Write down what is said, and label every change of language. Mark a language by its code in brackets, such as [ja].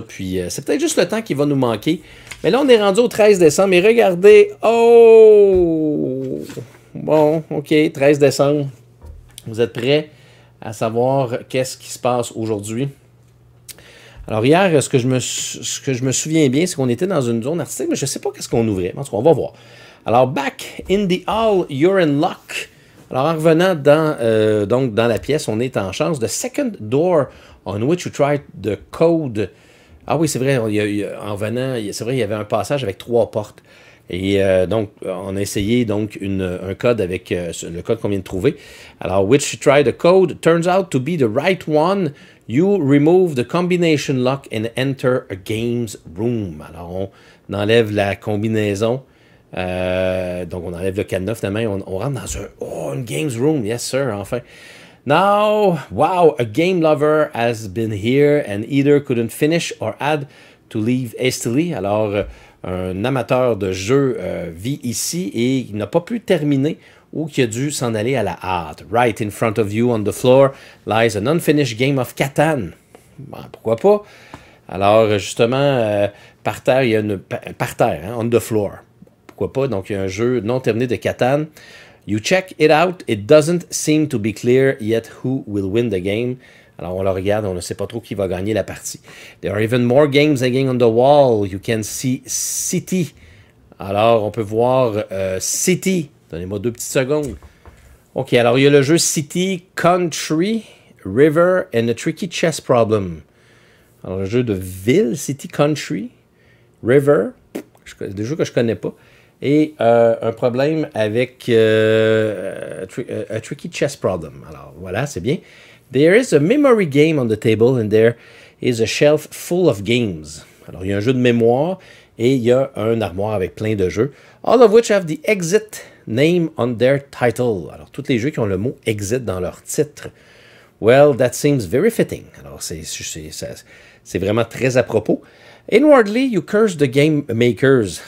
[fr] Puis c'est peut-être juste le temps qui va nous manquer. Mais là, on est rendu au 13 décembre. Et regardez! Oh! Bon, OK, 13 décembre. Vous êtes prêts à savoir qu'est-ce qui se passe aujourd'hui? Alors hier, ce que je me souviens bien, c'est qu'on était dans une zone artistique, mais je ne sais pas qu'est-ce qu'on ouvrait. En tout cas, on va voir. [en] Alors, back in the hall, you're in luck. [fr] Alors, en revenant dans la pièce, on est en chance. [en] The second door on which you tried the code. [fr] Ah oui, c'est vrai, il y avait un passage avec trois portes. Et donc, on a essayé donc un code avec le code qu'on vient de trouver. [en] Alors, which tried the code turns out to be the right one. You remove the combination lock and enter a game's room. [fr] Alors, on enlève la combinaison. Donc, on enlève le cadenas finalement. On rentre dans une game's room. [en] Yes, sir, enfin. Now, wow, a game lover has been here and either couldn't finish or had to leave hastily. [fr] Alors... un amateur de jeu vit ici et il n'a pas pu terminer ou qui a dû s'en aller à la hâte. [en] Right in front of you on the floor lies an unfinished game of Catan. [fr] Ben, pourquoi pas? Alors, justement, par terre, il y a une... par terre, hein, [en] on the floor. [fr] Pourquoi pas? Donc, il y a un jeu non terminé de Catan. [en] You check it out. It doesn't seem to be clear yet who will win the game. [fr] Alors, on le regarde, on ne sait pas trop qui va gagner la partie. [en] There are even more games hanging on the wall. You can see City. [fr] Alors, on peut voir City. Donnez-moi deux petites secondes. OK, alors, il y a le jeu City, [en] Country, River, and a Tricky Chess Problem. [fr] Alors, le jeu de ville, City, Country, River, des jeux que je ne connais pas, et un problème avec [en] a Tricky Chess Problem. [fr] Alors, voilà, c'est bien. [en] There is a memory game on the table and there is a shelf full of games. [fr] Alors, il y a un jeu de mémoire et il y a un armoire avec plein de jeux. [en] All of which have the exit name on their title. [fr] Alors, tous les jeux qui ont le mot exit dans leur titre. [en] Well, that seems very fitting. [fr] Alors, c'est vraiment très à propos. [en] Inwardly, you curse the game makers.